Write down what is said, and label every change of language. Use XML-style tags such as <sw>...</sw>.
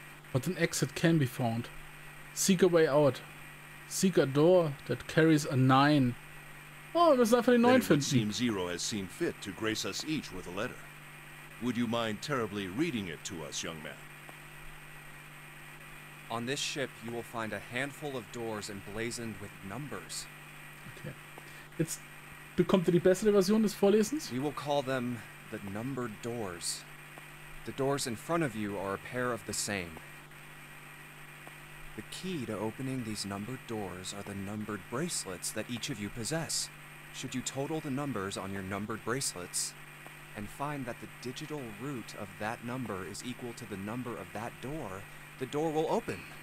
<en>But an exit can be found. Seek a way out. Seek a door that carries a 9. Oh, it was not for the 9</en> <de>finden.</de> <en>It seems Zero has seen fit to grace us each with a letter. Would you mind terribly reading it to us, young man? On this ship, you will find a handful of doors emblazoned with numbers. Okay.</en> <de>Jetzt bekommt ihr die bessere Version des Vorlesens.</de> <en>We will call them the numbered doors. The doors in front of you are a pair of the same. The key to opening these numbered doors are the numbered bracelets that each of you possess. Should you total the numbers on your numbered bracelets and find that the digital root of that number is equal to the number of that door, the door will open.</en>